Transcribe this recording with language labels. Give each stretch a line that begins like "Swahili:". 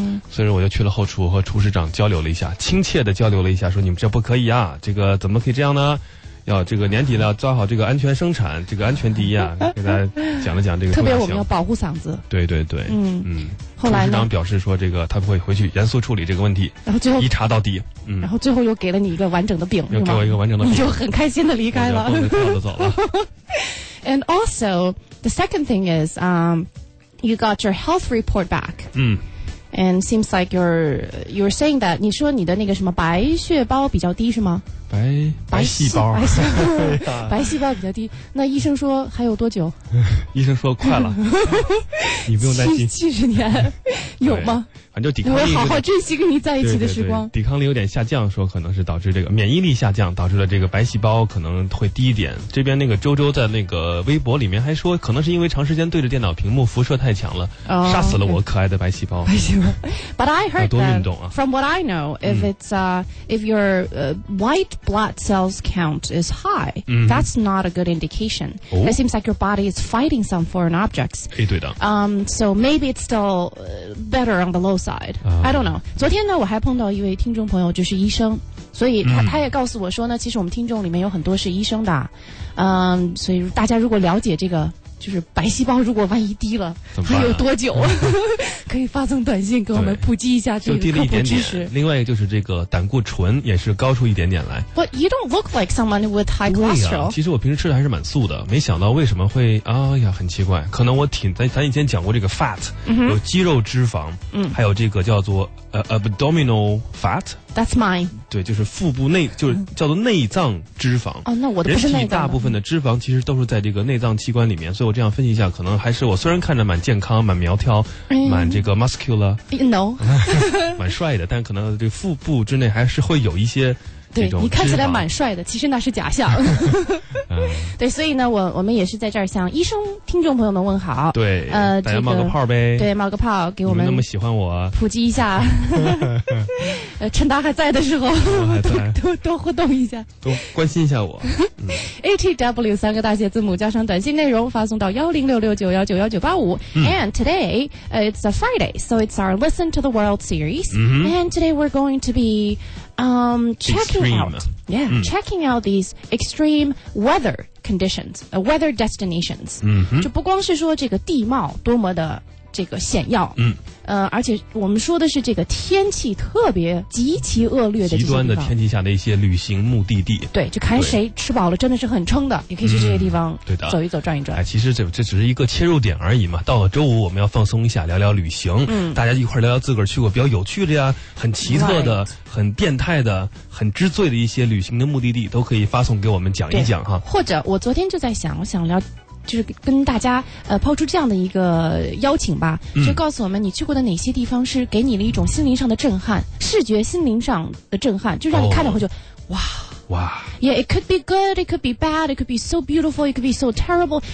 Chinese: 所以我就去了后厨和厨师长交流了一下亲切的交流了一下说你们这不可以啊这个怎么可以这样呢要这个年底了抓好这个安全生产这个安全第一啊给大家讲了讲这个特别我们要保护嗓子对对对后来呢厨师长表示说这个他会回去严肃处理这个问题然后最后一查到底然后最后又给了你一个完整的饼又给我一个完整的饼你就很开心的离开了我就跳着走了
English: And also, the second thing is, you got your health report back. And seems like you're saying that,
Chinese: 你说你的那个什么白血胞比较低是吗？白细胞。白细胞。白细胞比较低。那医生说还有多久？医生说快了。你不用担心。 70年有吗？反正就抵抗力。我好好珍惜跟你在一起的时光。对对对抵抗力有点下降说可能是导致这个免疫力下降导致了这个白细胞可能会低一点。这边那个周周在那个微博里面还说可能是因为长时间对着电脑屏幕辐射太强了、 oh, 杀死了我可爱的白细胞。
English: But I heard that,、 from what I know, if it's, if your、white blood cells count is high,、that's not a good indication.、 Oh? It seems like your body is fighting some foreign objects.
Chinese: 哎，对的。
English: So maybe it's still better on the low side.、I don't know.
Chinese: 昨天呢，我还碰到一位听众朋友，就是医生，所以他也告诉我说呢，其实我们听众里面有很多是医生的，所以大家如果了解这个。就是白细胞如果万一低了还有多久可以发送短信跟我们普及一下这个科普知识就低了一点点另外就是这个胆固醇也是高出一点点来
English: But you don't look like someone with high cholesterol、
Chinese: 其实我平时吃的还是蛮素的没想到为什么会很奇怪可能我挺咱以前讲过这个 fat、有肌肉脂肪、还有这个叫做、abdominal fat
English: that's mine
Chinese: 对就是腹部内就是叫做内脏脂肪哦，那我的不是内脏人体大部分的脂肪其实都是在这个内脏器官里面所以我这样分析一下可能还是我虽然看着蛮健康蛮苗条蛮这个 muscular no 蛮帅的但可能这腹部之内还是会有一些对你看起来蛮帅的其实那是假象对所以呢我们也是在这儿向医生听众朋友们问好对大家冒个泡呗、对冒个泡给我们那么喜欢我普及一下趁他还在的时候多互动一下多关心一下我
English: ATW
Chinese: 三个大写字母加上短信内容发送到10669191985
English: and today it's a Friday so it's our Listen to the World series、and today we're going to bechecking out these extreme weather conditions, weather destinations.
Chinese: 就不光是说这个地貌多么的这个险要。嗯。而且我们说的是这个天气特别极其恶劣的这些极端的天气下的一些旅行目的地，对，就看谁吃饱了真的是很撑的，也可以去这些地方走一走转一转。其实这只是一个切入点而已嘛，到了周五我们要放松一下，聊聊旅行，大家一块聊聊自个儿去过比较有趣的呀，很奇特的、很变态的、很知罪的一些旅行的目的地，都可以发送给我们讲一讲哈。或者我昨天就在想，我想聊就是跟大家抛出这样的一个邀请吧，就告诉我们你去过的哪些地方是给你了一种心灵上的震撼，视觉心灵上的震撼，就让你看了会就、哇哇
English: ，Yeah, it could be good, it could be bad, it could be so beautiful, it could be so terrible.